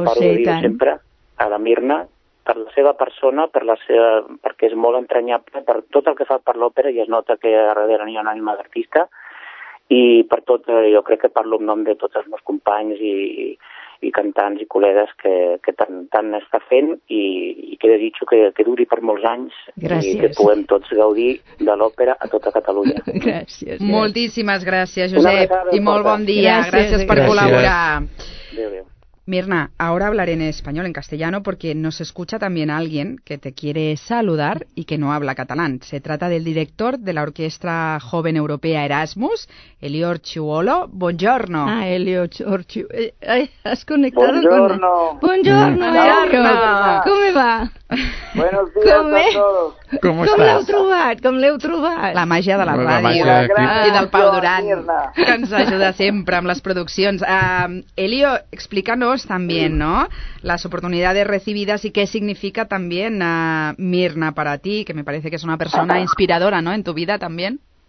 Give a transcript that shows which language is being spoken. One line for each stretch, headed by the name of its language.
Catalan: parlo de dir-ho sempre, a la Mirna, per la seva persona, perquè és molt entranyable, per tot el que fa per l'òpera, i es nota que darrere hi ha una ànima d'artista, i per tot, jo crec que parlo en nom de tots els meus companys i cantants i col·legues que tant està fent, i que desitjo que duri per molts anys. Gràcies. I que puguem tots gaudir de l'òpera a tota Catalunya. Gràcies. Moltíssimes gràcies, Josep, i molt bon dia. Gràcies per col·laborar. Adéu.
Spanish: Mirna, ahora hablaré en español, en castellano, porque nos escucha también alguien que te quiere saludar y que no habla catalán. Se trata del director de la Orquesta Joven Europea Erasmus, Elior Chuolo.
Italian: Buongiorno.
Spanish: Ah, Elior Chuolo. ¿Has conectado
Italian: Buongiorno.
Spanish: Con él?
Italian: Buongiorno. Buongiorno,
Spanish: Elior. ¿Cómo va? Buenos días a todos. ¿Cómo estás?
Catalan: ¿Com l'heu trobat? La màgia de la ràdio. I del Pau Durant, que ens ajuda sempre amb les produccions.
Spanish: Elio, explícanos también, ¿no?, las oportunidades recibidas y qué significa también Mirna para ti, que me parece que es una persona inspiradora, ¿no?, en tu vida también.